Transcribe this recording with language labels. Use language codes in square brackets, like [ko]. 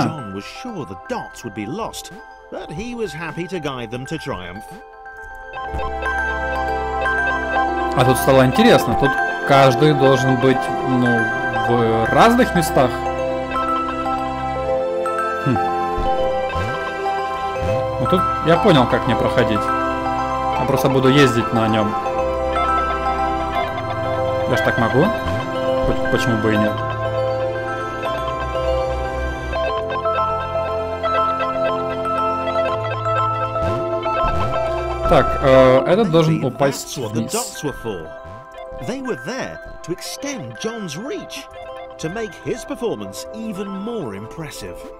[en] John was sure the dots would be lost, but he was happy to guide them to triumph. [ru] А тут стало интересно, тут каждый должен быть, ну, в разных местах. Ну тут я понял, как мне проходить. Я просто буду ездить на нем. Я ж так могу? Почему бы и нет? Так, этот должен упасть вниз. [en] They were there to extend John's reach, to make his performance even more impressive.